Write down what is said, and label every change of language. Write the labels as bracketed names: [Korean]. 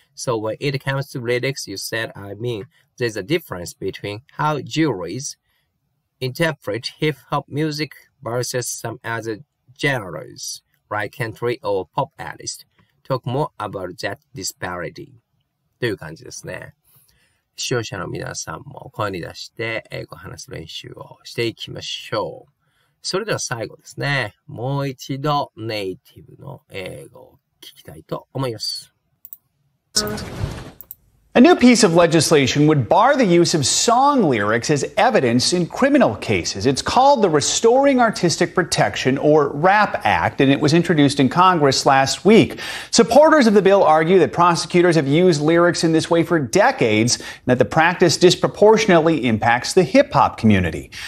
[English] So when it comes to lyrics, you said, I mean, there's a difference between how juries interpret hip hop music versus some other genres, like country or pop artists. Talk more about that disparity. [Japanese] という感じですね。視聴者の皆さんも声に出して英語を話す練習をしていきましょう。それでは最後ですね。もう一度ネイティブの英語を聞きたいと思います。 [English] A new piece of legislation would bar the use of song lyrics as evidence in criminal cases. It's called the Restoring Artistic Protection, or RAP Act, and it was introduced in Congress last week. Supporters of the bill argue that prosecutors have used lyrics in this way for decades, and that the practice disproportionately impacts the hip-hop community.